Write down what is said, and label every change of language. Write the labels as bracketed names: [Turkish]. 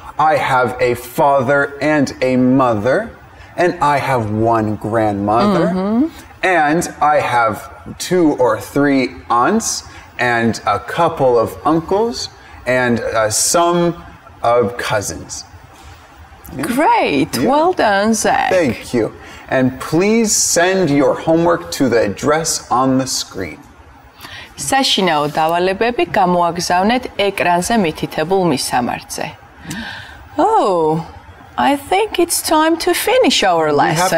[English] I have a father and a mother, and I have one grandmother, and I have two or three aunts, and a couple of uncles, and some of cousins. Yeah. Great! Yeah. Well done, Zach. Thank you. And please send your homework to the address on the screen. [Georgian] საშინაო დავალებები გამოაგზავნეთ ეკრანზე მითითებულ მისამართზე. [English] Oh, I think it's time to finish our lesson.